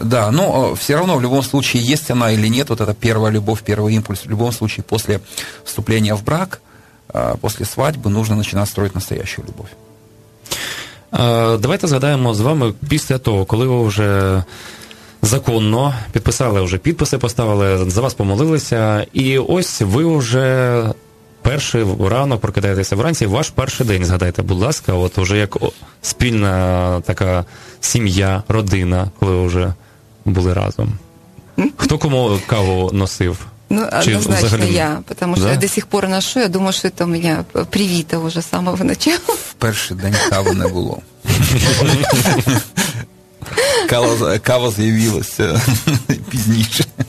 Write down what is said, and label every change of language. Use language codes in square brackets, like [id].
[ru] Да, но все равно в любом случае, есть она или нет, вот эта первая любовь, первый импульс, в любом случае после вступления в брак, после свадьбы нужно начинать строить настоящую любовь. [uk] Давайте згадаємо з вами після того, коли ви вже законно підписали, вже підписи поставили, за вас помолилися, і ось ви вже перший ранок прокидаєтеся вранці, ваш перший день, згадайте, будь ласка, от уже як спільна така сім'я, родина, коли вже були разом. Хто кому каву носив? [ru] Ну, однозначно я, потому что я до сих пор ношу, я думаю, что это у меня привито уже с самого начала. [uk] В перший день [ru] кавы не было. [uk] Кава з'явилась пізніше.